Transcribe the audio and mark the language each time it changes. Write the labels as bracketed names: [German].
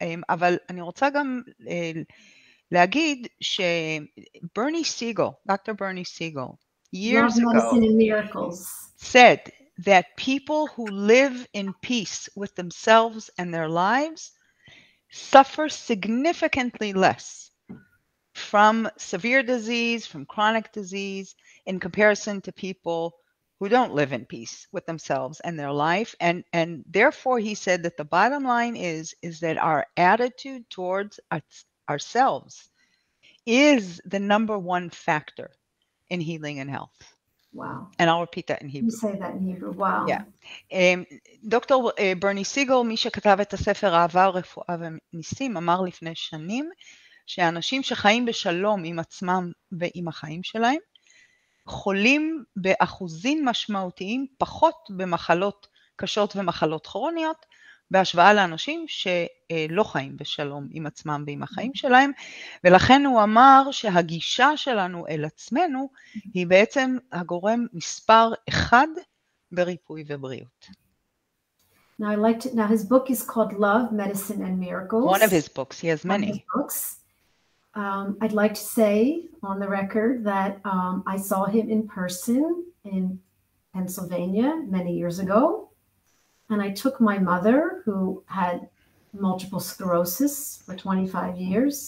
[Hebrew] אבל אני רוצה גם להגיד שברני סיגל, דוקטור ברני סיגל, [English] years ago, said that people who live in peace with themselves and their lives suffer significantly less from severe disease, from chronic disease, in comparison to people who don't live in peace with themselves and their life. And therefore, he said that the bottom line is that our attitude towards ourselves is the number one factor in healing and health. Wow. And I'll repeat that in Hebrew. You say that in Hebrew. Wow. Yeah. [Hebrew] דוקטור ברני סיגל, מי שכתב את הספר אהבה, רפואה וניסים, אמר לפני שנים שאנשים שחיים בשלום עם עצמם ועם החיים שלהם, חולים באחוזים משמעותיים פחות במחלות קשות ומחלות כרוניות בהשוואה לאנשים שלא חיים בשלום עם עצמם ועם החיים שלהם. ולכן הוא אמר שהגישה שלנו אל עצמנו היא בעצם הגורם מספר אחד בריפוי ובריאות. [English] Now his book is called Love, Medicine and Miracles. One of his books, he has many. I'd like to say on the record that I saw him in person in Pennsylvania many years ago, and I took my mother, who had multiple sclerosis for 25 years.